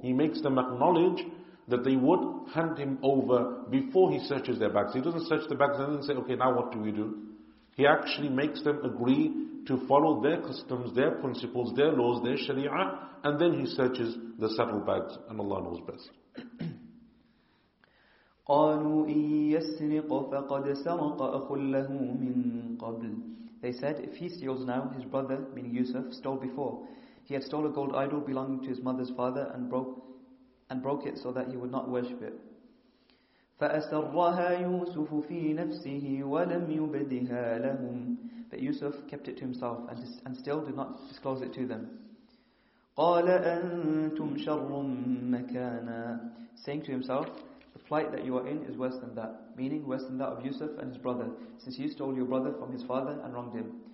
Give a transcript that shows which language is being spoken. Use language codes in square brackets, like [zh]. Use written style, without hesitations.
[en] He makes them acknowledge that they would hand him over before he searches their bags. He doesn't search the bags and then say, okay, now what do we do? He actually makes them agree to follow their customs, their principles, their laws, their sharia, and then he searches the saddlebags, and Allah knows best. [ar] قالوا إن يسرق فقد سرق أخ له من قبل. [en] They said, if he steals now, his brother, meaning Yusuf, stole before. He had stole a gold idol belonging to his mother's father and broke it so that he would not worship it. [ar] فأسرها يوسف في نفسه ولم يبدها لهم. [en] But Yusuf kept it to himself and still did not disclose it to them. [ar] قال أنتم شر مكانا. [en] Saying to himself, the plight that you are in is worse than that, meaning worse than that of Yusuf and his brother, since you stole your brother from his father and wronged him.